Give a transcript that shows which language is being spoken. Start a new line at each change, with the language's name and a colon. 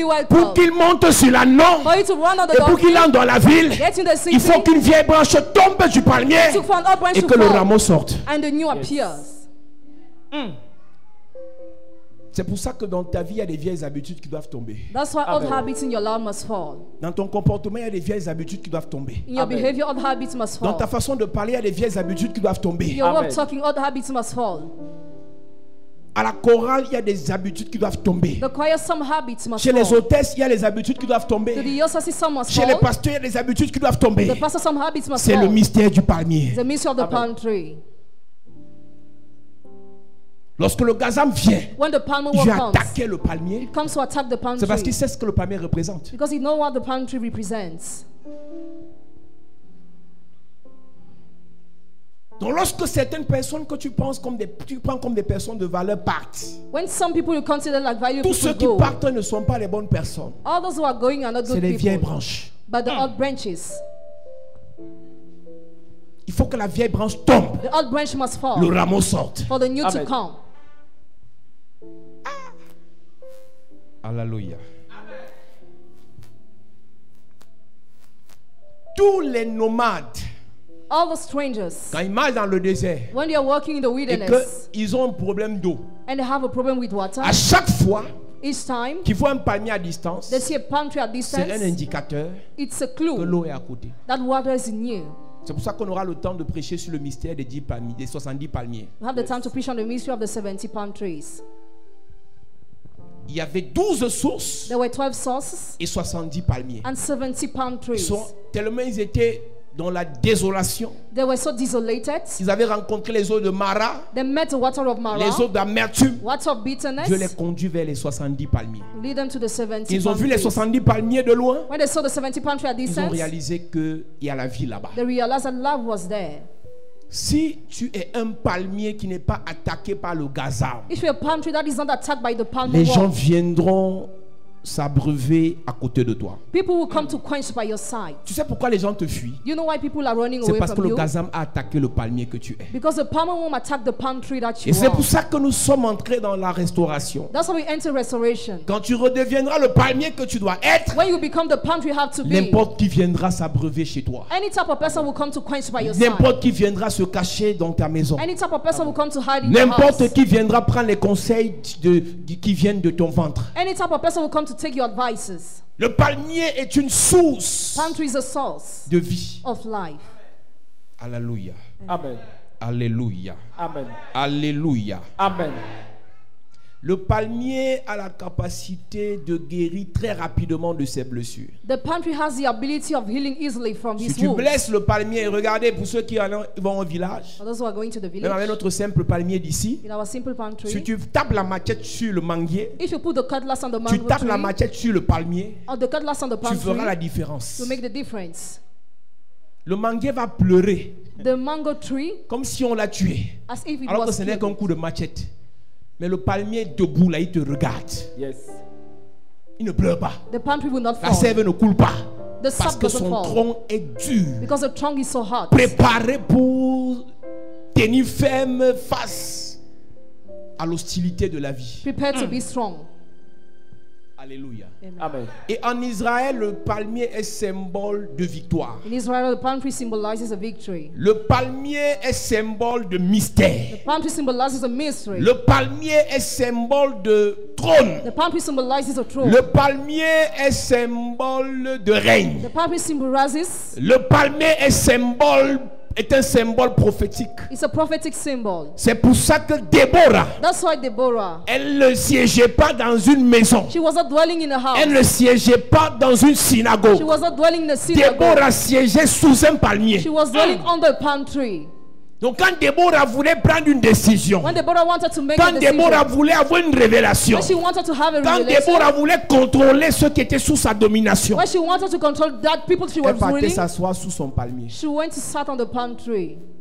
French: Pour qu'il monte sur la non. Et pour qu'il entre dans la ville. Il faut qu'une vieille branche tombe du palmier. Et que le rameau sorte.
English: Yes.
French: C'est pour ça que dans ta vie, il y a des vieilles habitudes qui doivent tomber.
English: That's why old habits in your life must fall.
French: Dans ton comportement, il y a des vieilles habitudes qui doivent tomber.
English: In your behavior, old habits must fall.
French: Dans ta façon de parler, il y a des vieilles habitudes qui doivent tomber.
English: In your way of talking, old habits must fall.
French: À la chorale, il y a des habitudes qui doivent tomber.
English: The choir, some habits must
French: Chez les hôtesses, il y a des habitudes qui doivent tomber.
English: The diocese, some must
French: Chez les pasteurs, il y a des habitudes qui doivent tomber.
English: The pastor, some habits must
French: C'est
English: fall.
French: Le mystère du palmier.
English: The mystery of the palm tree.
French: Lorsque le gazam vient,
English: when the palmer
French: il attaque le palmier.
English: It comes to attack the palm tree.
French: C'est parce qu'il sait ce que le palmier représente.
English: Because he knows what the palm tree represents.
French: Donc lorsque certaines personnes que tu prends comme des personnes de valeur partent.
English: When some people you consider like valuable
French: tous ceux
English: people
French: qui partent ne sont pas les bonnes personnes.
English: All those who are going are not good
French: C'est
English: people,
French: les vieilles branches.
English: But the old branches.
French: Il faut que la vieille branche tombe.
English: The old branch must fall.
French: Le rameau sorte.
English: For the new Amen. To come.
French: Alléluia. Tous les nomades.
English: All the strangers.
French: Quand ils marchent dans le désert.
English: When they are walking in the wilderness.
French: Et que ils ont un problème d'eau.
English: And they have a problem with water.
French: À chaque fois.
English: Each time.
French: Qu'ils voient un palmier à distance.
English: They see a palm tree at distance.
French: C'est un indicateur.
English: It's a clue.
French: Que l'eau est à côté.
English: That water is near.
French: C'est pour ça qu'on aura le temps de prêcher sur le mystère des 10 palmiers, des 70 palmiers.
English: We have the time to preach on the mystery of the 70 palm trees.
French: Il y avait 12 sources.
English: There were 12 sources.
French: Et 70 palmiers.
English: And 70 palm trees.
French: Ils sont tellement ils étaient dans la désolation.
English: They were so desolated.
French: Ils avaient rencontré les eaux de Mara.
English: They met the water of Mara.
French: Les eaux d'amertume.
English: Water of bitterness.
French: Dieu les conduit vers les 70 palmiers.
English: Lead them to the 70
French: palm Ils ont vu les 70 palmiers de loin.
English: When they saw the 70 palm tree at distance.
French: Ils ont réalisé que il y a la vie là-bas.
English: They realized that love was there.
French: Si tu es un palmier qui n'est pas attaqué par le gazam.
English: If you are a palm tree that is not attacked by the palm
French: Les gens viendront s'abreuver à côté de toi.
English: People will come to quench by your side.
French: Tu sais pourquoi les gens te fuient?
English: You know why people are running
French: C'est
English: away
French: parce
English: from
French: que le
English: you?
French: Gazam a attaqué le palmier que tu es.
English: Because the palm worm attacked the palm tree that you
French: Et Et c'est pour ça que nous sommes entrés dans la restauration.
English: That's how we enter restoration.
French: Quand tu redeviendras le palmier que tu dois être,
English: when you become the palm tree you have to be.
French: N'importe qui viendra s'abreuver chez toi.
English: Any type of person will come to quench by your
French: n'importe
English: side.
French: N'importe qui viendra se cacher dans ta maison.
English: Any type of person will come to hide in
French: n'importe
English: your house.
French: N'importe qui viendra prendre les conseils qui viennent de ton ventre.
English: Any type of person will come to take your advices.
French: Le palmier est une source.
English: Palm tree is a source
French: de vie.
English: Of life.
French: Alléluia.
English: Amen.
French: Alléluia.
English: Amen.
French: Alléluia.
English: Amen.
French: Le palmier a la capacité de guérir très rapidement de ses blessures.
English: The palm tree has the ability of healing easily from his
French: si
English: wounds.
French: Si tu blesses le palmier, regardez pour ceux qui vont au village.
English: For those who are going to the village.
French: Même avec notre simple palmier d'ici.
English: In our simple palm tree.
French: Si tu tapes la machette sur le manguier.
English: If you put the cutlass on the mango
French: tu tapes
English: tree,
French: la machette sur le palmier.
English: Or the cutlass on the palm
French: tu feras
English: tree,
French: la différence.
English: To make the difference.
French: Le manguier va pleurer.
English: The mango tree.
French: Comme si on l'a tué.
English: As if it
French: alors
English: was
French: que ce n'est qu'un coup de machette. Mais le palmier debout là, il te regarde.
English: Yes.
French: Il ne pleure pas.
English: The palm tree will not fall.
French: La sève ne coule pas.
English: The sap
French: parce que son
English: fall.
French: Tronc est dur.
English: Because the trunk is so hard.
French: Préparé pour tenir ferme face à l'hostilité de la vie.
English: Prepare to be strong.
French: Alléluia.
English: Amen.
French: Et en Israël, le palmier est symbole de victoire.
English: In Israel, the palm tree symbolizes a victory.
French: Le palmier est symbole de mystère.
English: The palm tree symbolizes a mystery.
French: Le palmier est symbole de trône.
English: The palm tree symbolizes a throne.
French: Le palmier est symbole de règne.
English: The palm tree symbolizes
French: le palmier est symbole est un symbole prophétique.
English: It's a prophetic symbol.
French: C'est pour ça que Déborah,
English: that's why Deborah,
French: elle ne siégeait pas dans une maison.
English: She was not dwelling in a house.
French: Elle ne siégeait pas dans une synagogue.
English: She was not dwelling in a synagogue.
French: Déborah siégeait sous un palmier.
English: She was dwelling under a palm tree.
French: Donc quand Déborah voulait prendre une décision,
English: when Deborah wanted to make
French: quand Déborah voulait avoir une révélation,
English: when she wanted to have a
French: quand Déborah voulait contrôler ceux qui étaient sous sa domination,
English: when she wanted to control that people she was ruling,
French: elle partait s'asseoir sous son palmier.
English: She went to sit on the palm tree.